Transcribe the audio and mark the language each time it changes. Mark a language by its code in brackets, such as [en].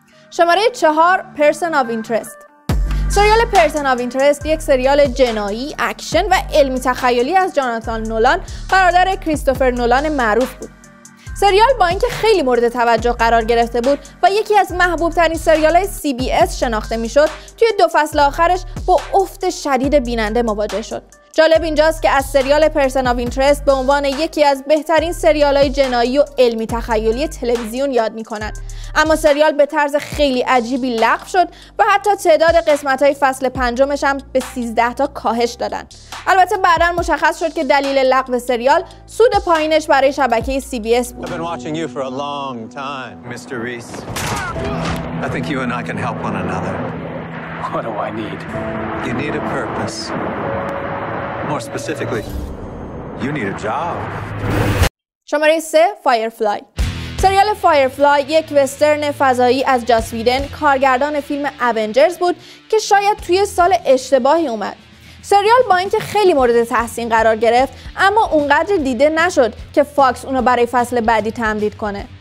[fa] شماره 4، Person of Interest. سریال Person of Interest یک سریال جنایی، اکشن و علمی تخیلی از جاناتان نولان، برادر کریستوفر نولان معروف بود. سریال با اینکه خیلی مورد توجه قرار گرفته بود و یکی از محبوب ترین سریال های CBS شناخته می شد، توی 2 فصل آخرش با افت شدید بیننده مواجه شد. جالب اینجاست که از سریال Person of Interest به عنوان یکی از بهترین سریال های جنایی و علمی تخیلی تلویزیون یاد می کنند. اما سریال به طرز خیلی عجیبی لغو شد و حتی تعداد قسمت های فصل 5 هم به 13 تا کاهش دادند. البته بعدا مشخص شد که دلیل لغو سریال سود پایینش برای شبکه CBS بود. [en] I've been watching you for a long time, Mr. Reese. I think you and I can help one another. What do I need? You need a purpose. More specifically, you need a job. [fa] شماره 3، Firefly. سریال فایرفلای یک وسترن فضایی از جاس ویدن، کارگردان فیلم اونجرز بود که شاید توی سال اشتباهی اومد. سریال با اینکه خیلی مورد تحسین قرار گرفت، اما اونقدر دیده نشد که فاکس اونو برای فصل بعدی تمدید کنه.